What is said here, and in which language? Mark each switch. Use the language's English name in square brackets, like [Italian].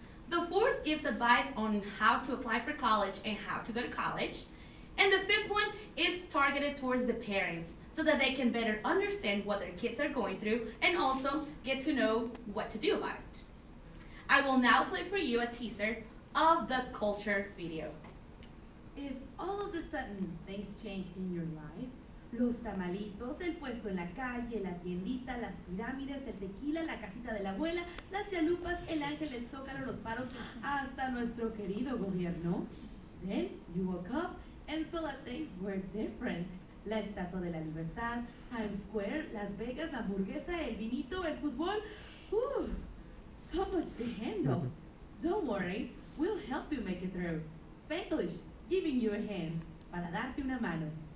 [English] The fourth gives advice on how to apply for college and how to go to college. And the fifth one is targeted towards the parents so that they can better understand what their kids are going through and also get to know what to do about it. I will now play for you a teaser of the culture video. If all of a sudden things change in your life, [Spanish] los tamalitos, el puesto en la calle, la tiendita, las pirámides, el tequila, la casita de la abuela, las chalupas, el ángel, el zócalo, los paros, hasta nuestro querido gobierno. [English] Then you woke up and saw that things were different. [Spanish] La Estatua de la Libertad, Times Square, Las Vegas, la hamburguesa, el vinito, el fútbol. [English] Whew, so much to handle. Don't worry, we'll help you make it through. Spanglish, giving you a hand. [Spanish] Para darte una mano.